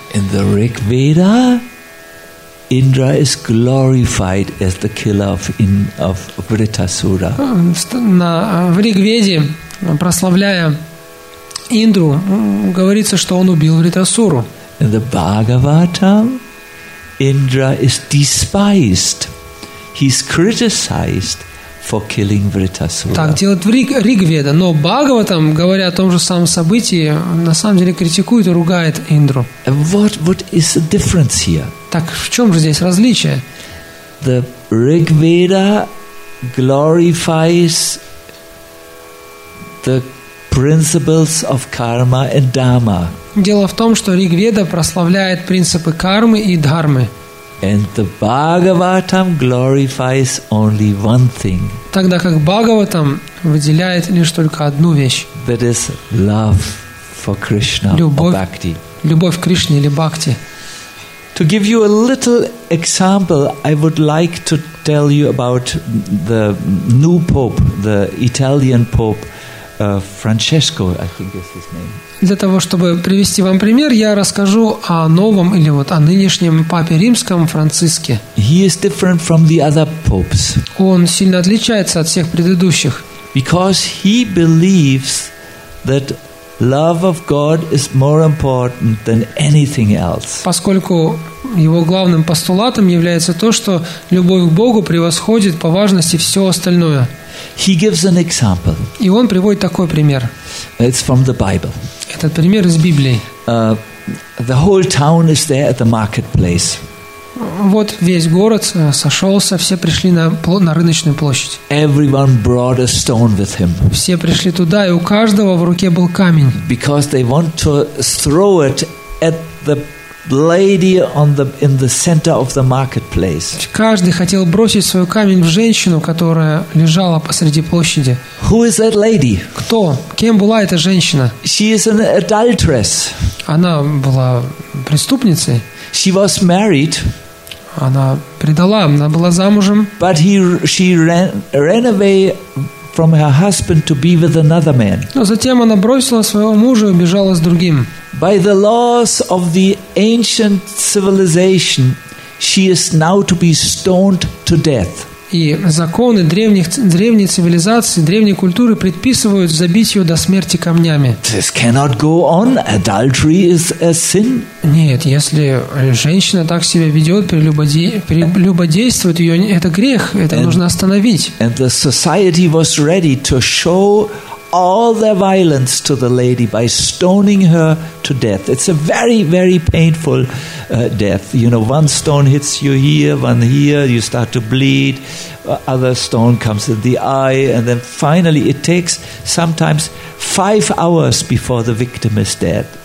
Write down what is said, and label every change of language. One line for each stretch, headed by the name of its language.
English: In the Rig Veda, Indra is glorified as the killer of Vritrasura.
Russian: В Ригведе, прославляя Индру, говорится, что он убил Вритрасуру.
English: In the Bhagavatam, Indra is despised. He's criticized for killing Vritrasura.
Russian: Так делает Ригведа, но Бхагаватам, говоря о том же самом событии, на самом деле критикует и ругает Индру.
English: What is the difference here?
Russian: Так в чем же здесь различие?
English: The Rigveda glorifies the principles of karma and dharma.
Russian: Дело в том, что Ригведа прославляет принципы кармы и дхармы.
English: And the Bhagavatam glorifies only one thing.
Russian: Тогда как Бхагаватам выделяет лишь только одну вещь.
English: That is love for Krishna or bhakti.
Russian: Любовь к Кришне или бхакти.
English: To give you a little example, I would like to tell you about the new pope, the Italian pope, Francesco, I think is his name.
Russian: Для того, чтобы привести вам пример, я расскажу о новом или вот о нынешнем папе римском Франциске.
English: He is different from the other popes.
Russian: Он сильно отличается от всех предыдущих.
English: Because he believes that love of God is more important than anything else.
Russian: Поскольку его главным постулатом является то, что любовь к Богу превосходит по важности все остальное.
English: He gives an example.
Russian: И он приводит такой пример.
English: It's from the Bible.
Russian: Этот пример из Библии.
English: The whole town is there at the marketplace.
Russian: Вот весь город сошелся, все пришли на рыночную площадь.
English: Everyone brought a stone with him.
Russian: Все пришли туда, и у каждого в руке был камень.
English: Because they want to throw it at the lady on the in the center of the marketplace.
Russian: Каждый хотел бросить свой камень в женщину, которая лежала посреди площади.
English: Who is that lady?
Russian: Кто? Кем была эта женщина?
English: She is an adulteress.
Russian: Она была преступницей.
English: She was married.
Russian: Она предала, она была замужем.
English: But she ran away from her husband to be with another man.
Russian: Но затем она бросила своего мужа и убежала с другим.
English: By the laws of the ancient civilization, she is now to be stoned to death.
Russian: И законы древней цивилизации, древней культуры предписывают забить ее до смерти камнями.
English: This cannot go on. Adultery is a sin.
Russian: Нет, если женщина так себя ведет, прелюбодействует, ее, это грех, это нужно остановить.
English: And the society was ready to show all their violence to the lady by stoning her to death. It's a very, very painful death. You know, one stone hits you here, one here, you start to bleed. Other stone comes in the eye, and then finally it takes sometimes 5 hours before the victim is dead.